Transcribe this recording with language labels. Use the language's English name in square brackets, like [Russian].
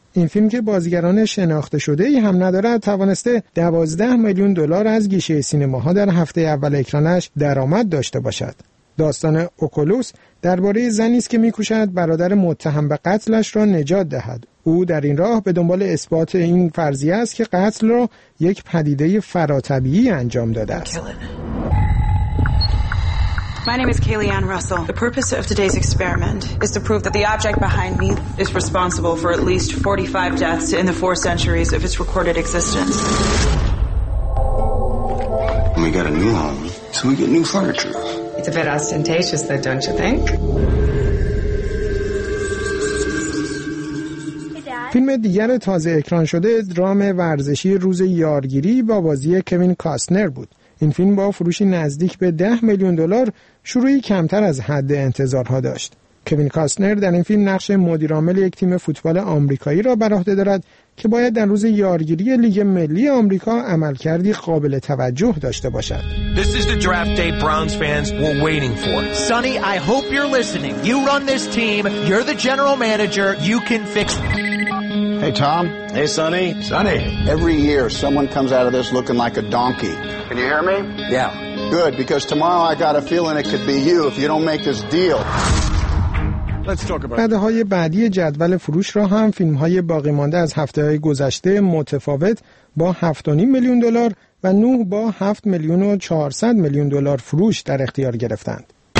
[Persian] این فیلم که بازیگران شناخته شده ای هم ندارد توانسته 12 میلیون دلار از گیشه سینماها در هفته اول اکرانش درآمد داشته باشد. داستان اوکولوس درباره زنی است که میکوشد برادر متهم به قتلش را نجات دهد. او در این راه به دنبال اثبات این فرضیه است که قتل را یک پدیده فراطبیعی انجام داده است. [English] My name is Kayleon Russell. The purpose of today's experiment is to prove that the object behind me is responsible for at least 45 deaths in the four centuries of its recorded existence. We got a new home, so we get new furniture. It's a bit ostentatious though, don't you think? [Persian] فیلم دیگر تازه اکران شده درام ورزشی روز یارگیری با بازی کوین کاستنر بود. این فیلم با فروشی نزدیک به 10 میلیون دلار شروعی کمتر از حد انتظارها داشت. کوین کاستنر در این فیلم نقش مدیر عامل یک تیم فوتبال آمریکایی را بر عهده دارد که باید در روز یارگیری لیگ ملی آمریکا عملکردی قابل توجه داشته باشد. [English] This is the draft day Browns fans were waiting for. Sonny, I hope you're listening. You run this team. You're the general manager. You can fix Hey Tom. Hey Sonny. Sonny. Every year someone comes out of this looking like a donkey. Can you hear me? Yeah. Good, because tomorrow I got a feeling it could be you if you don't make this deal. Let's talk about. [Persian] رده‌های بعدی جدول فروش را هم فیلم‌های باقی مانده از هفته‌های گذشته متفاوت با 7.5 میلیون دلار و 9 با 7 میلیون و 400 میلیون دلار فروش در اختیار گرفتند.